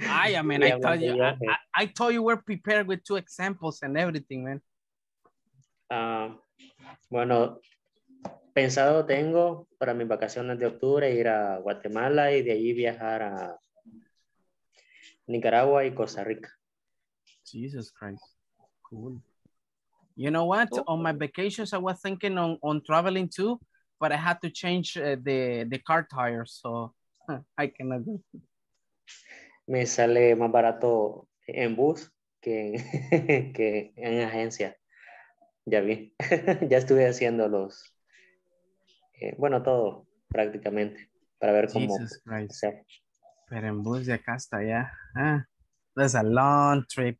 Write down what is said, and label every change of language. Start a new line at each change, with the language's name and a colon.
English: I told you we're prepared with two examples and everything, man.
Spanish: Bueno, pensado tengo para mis vacaciones de octubre ir a Guatemala y de allí viajar a Nicaragua y Costa Rica.
English: Jesus Christ. Cool. You know what? Oh. On my vacations, I was thinking on traveling too. But I had to change the car tires, so I cannot do.
Spanish: Me sale más barato en bus que en agencia. Ya vi. Ya estuve haciendo los, bueno, todo prácticamente para ver cómo. Jesus Christ. Sea. Pero en bus de acá hasta allá.
English: That's a long trip.